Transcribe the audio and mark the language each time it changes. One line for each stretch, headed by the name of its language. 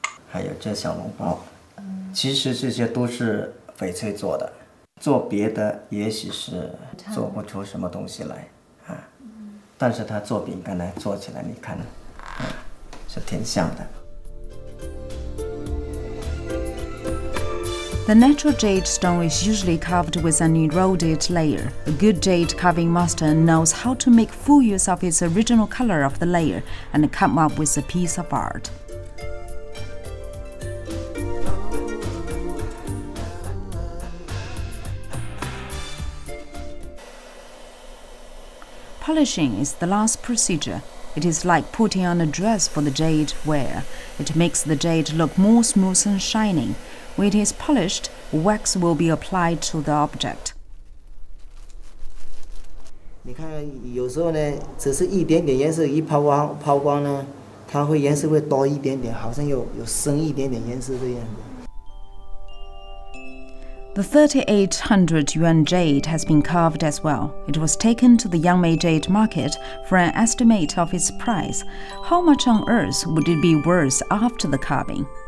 Chinese: 还有这小笼包，其实这些都是翡翠做的，做别的也许是做不出什么东西来啊。但是它做饼干来做起来，你看，是挺像的。
English: The natural jade stone is usually carved with an eroded layer. A good jade carving master knows how to make full use of its original color of the layer and come up with a piece of art. Polishing is the last procedure. It is like putting on a dress for the jade wear. It makes the jade look more smooth and shining. When it is polished, wax will be applied to the object.
Chinese: 你看，有时候呢，只是一点点颜色一抛光呢，它会颜色会多一点点，好像有深一点点颜色这样子。
English: The 3800 yuan jade has been carved as well. It was taken to the Yangmei Jade Market for an estimate of its price. How much on earth would it be worth after the carving?